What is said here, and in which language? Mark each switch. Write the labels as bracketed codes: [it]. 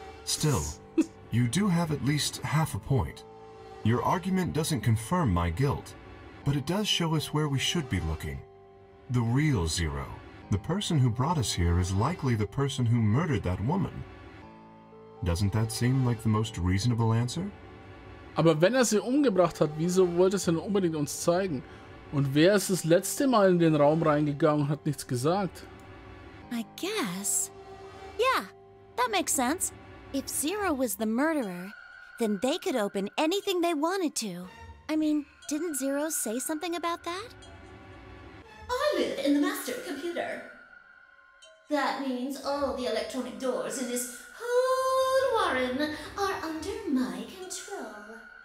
[en] Still, you do have at least half a point. Your argument doesn't confirm my guilt, but it does show us where we should be looking. The real Zero. The person who brought us here is likely the person who murdered that woman. Doesn't that seem like the most reasonable answer? [de] Aber wenn er sie umgebracht hat, wieso wollte er es denn unbedingt uns zeigen? Und wer ist das letzte Mal in den Raum reingegangen und hat nichts gesagt? [en] I guess. Yeah, that makes sense. If Zero was the murderer, then they could open anything they wanted to. I mean, didn't Zero say something about that? I live in the master computer. That means all the electronic doors in this whole warren are under my control.